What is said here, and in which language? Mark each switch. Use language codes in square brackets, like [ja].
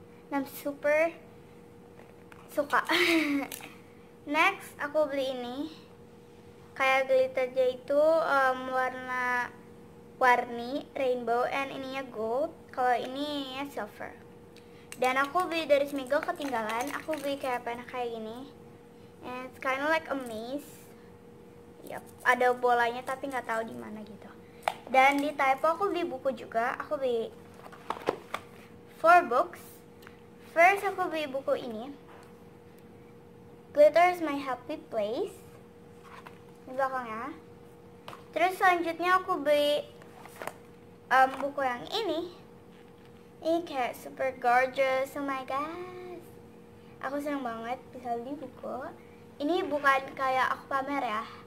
[en] I'm super [id] suka. Next aku beli ini kayak glitternya itu warna warni rainbow and ininya gold. Kalau ini ya silver. Dan aku beli dari Smigo ketinggalan. Aku beli kayak pena kayak gini. [en] And it's kind of like a maze. [id] Yep, ada bolanya tapi nggak tahu di mana gitu. Dan di Typo aku beli buku juga. Aku beli 4 books. First aku beli buku ini. [en] Glitter is my happy place. [id] Di belakangnya. Terus selanjutnya aku beli buku yang ini. Ini kayak super gorgeous. [en] Oh my god. [id] Aku senang banget bisa beli buku. Ini bukan kayak aku pamer ya.